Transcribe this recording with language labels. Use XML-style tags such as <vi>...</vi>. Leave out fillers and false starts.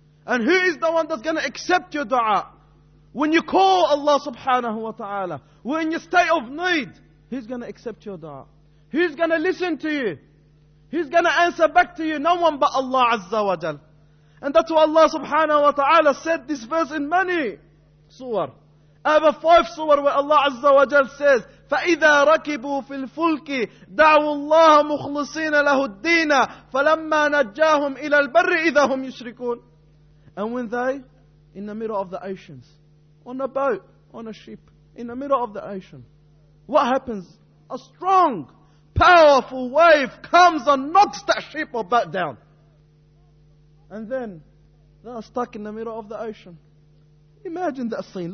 <en>And who is the one that's going to accept your dua? When you call Allah subhanahu wa ta'ala, when you state of need, who's going to accept your dua? Who's going to listen to you? Who's going to answer back to you? No one but Allah Azza wa Jal. And that's why Allah subhanahu wa ta'ala said this verse in many surah. I have a 5 surah where Allah Azza wa Jal says,</en> <ar>فَإِذَا رَكِبُوا فِي الْفُلْكِ دَعُوا اللَّهَ مُخْلِصِينَ لَهُ الدِّينَ فَلَمَّا نَجَّاهُمْ إِلَى الْبَرِّ إِذَا هُمْ يُشْرِكُونَ.</ar> <en>And when they, in the middle of the oceans, on a boat, on a ship, in the middle of the ocean, what happens? A strong, powerful wave comes and knocks that ship or boat down. And then, they are stuck in the middle of the ocean. Imagine that scene.</en>